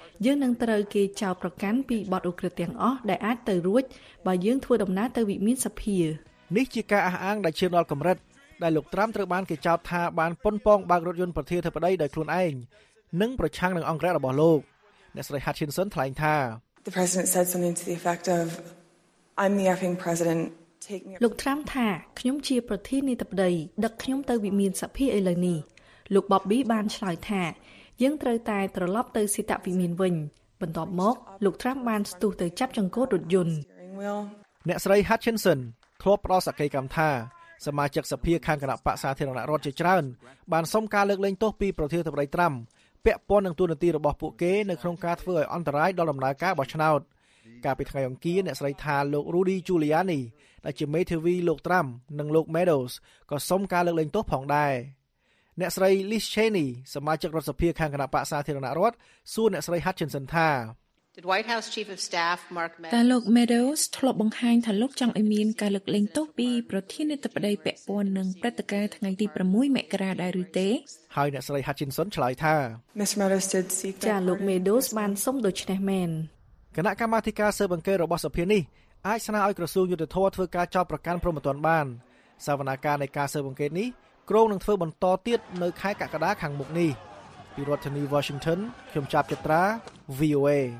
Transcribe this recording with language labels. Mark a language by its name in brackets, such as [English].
[Khmer] យើងនឹងត្រូវគេចោទប្រកាន់ពីបទឧក្រិដ្ឋទាំងអស់ដែលអាចទៅរួចបើយើងធ្វើដំណើរទៅវិមានសភានេះជាការអះអាងដែលឈានដល់កម្រិតដែលលោកត្រាំត្រូវបានគេចោទថាបានប៉ុនប៉ងបើករថយន្តប្រធានាធិបតីដោយខ្លួនឯងនិងប្រឆាំងនឹងអង្គរៈរបស់លោកអ្នកស្រី Hutchinson ថ្លែងថា [English] The president said something to the effect of I'm the effing president take me [Khmer] លោកត្រាំថាខ្ញុំជាប្រធានាធិបតីដឹកខ្ញុំទៅវិមានសភាឥឡូវនេះលោក Bobby បានឆ្លើយថាយើងត្រូវតែត្រឡប់ទៅសិតវិមានវិញបន្ទាប់មកលោកត្រាំបានស្ទុះទៅចាប់ចង្កូតរថយន្ត អ្នកស្រី Hutchinson ធ្លាប់ផ្ដល់សក្តិកម្មថាសមាជិកសភាខាងគណៈបក្សសាធារណរដ្ឋជាច្រើនបានសុំការលើកលែងទោសពីប្រធានាធិបតីត្រាំពាក់ព័ន្ធនឹងទួនាទីរបស់ពួកគេនៅក្នុងការធ្វើឲ្យអន្តរាយដល់ដំណើរការបោះឆ្នោតកាលពីថ្ងៃអង្គារអ្នកស្រីថាលោក Rudy Giuliani ដែលជាមេធាវីលោកត្រាំនិងលោក Meadows ក៏សុំការលើកលែងទោសផងដែរអ្នកស្រី Liz Cheney សមាជិករដ្ឋសភាខាងគណៈបក្សសាធារណរដ្ឋសួរអ្នកស្រី Hutchinson ថា [English] The White House Chief of Staff Mark Meadows [Khmer] តាលោក Meadows ធ្លាប់បង្ហាញថាលោកចង់ឲ្យមានការលើកលែងទោសពីប្រធានាធិបតីពាក់ព័ន្ធនឹងព្រឹត្តិការណ៍ថ្ងៃទី6មករាដែរឬទេ ហើយអ្នកស្រី Hutchinson ឆ្លើយថា [English] Miss Meadows did seek [Khmer] ចាលោក Meadows បានសុំដូច្នេះមែន គណៈកម្មាធិការស៊ើបអង្កេតរបស់សភានេះអាចស្នើឲ្យក្រសួងយុត្តិធម៌ធ្វើការចោទប្រកាន់ព្រមទាំងបានសវនាការនៃការស៊ើបអង្កេតនេះក្រុងនឹងធ្វើបន្តទៀតនៅខែកក្កដាខាងមុខនេះពីរដ្ឋធានី Washington ខ្ញុំចាប់ចត្រា VOA